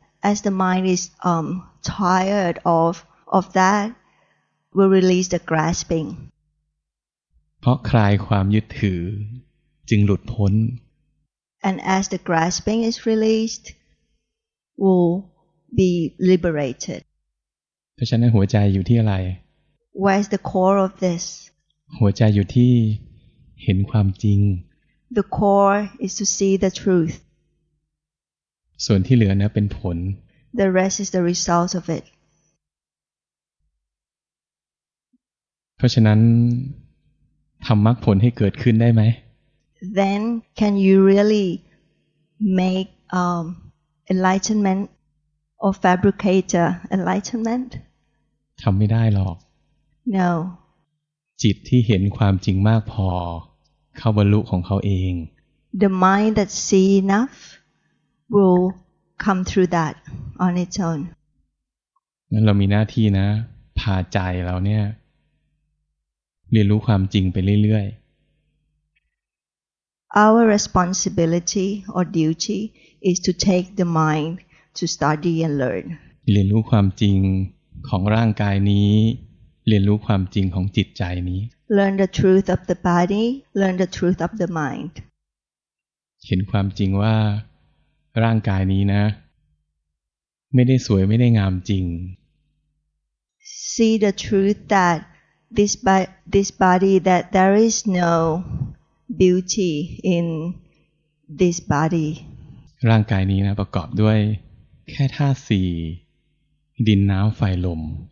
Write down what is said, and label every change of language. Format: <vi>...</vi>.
<en>as the mind is tired of that will release the grasping</en> <th>เพราะคลายความยึดถือจึงหลุดพ้น</th> <en>and as the grasping is released will be liberated</en> <th>เพราะฉะนั้นหัวใจอยู่ที่อะไร</th> <en>where's the core of this</en> <th>หัวใจอยู่ที่เห็นความจริง</th> <en>The core is to see the truth.</en> <th>ส่วนที่เหลือนะเป็นผล</th> <en>The rest is the result of it.</en> <th>เพราะฉะนั้นทำมรรคผลให้เกิดขึ้นได้ไหม</th> <en>Then can you really make enlightenment or fabricate enlightenment?</en> <th>ทำไม่ได้หรอก</th> <en>No.</en> <th>จิตที่เห็นความจริงมากพอเข้าบรรลุของเขาเอง</th> <en>The mind that see enough will come through that on its own</en> <th>นั้นเรามีหน้าที่นะพาใจเราเนี่ยเรียนรู้ความจริงไปเรื่อย</th> <en>ๆ Our responsibility or duty is to take the mind to study and learn</en> <th>เรียนรู้ความจริงของร่างกายนี้เรียนรู้ความจริงของจิตใจนี้</th> <en>Learn the truth of the body, learn the truth of the mind.</en> <th>เห็นความจริงว่าร่างกายนี้นะไม่ได้สวยไม่ได้งามจริง</th> <en>See the truth that this body that there is no beauty in this body.</en> <th>ร่างกายนี้นะประกอบด้วยแค่ธาตุ 4 ดินน้ำไฟลม</th>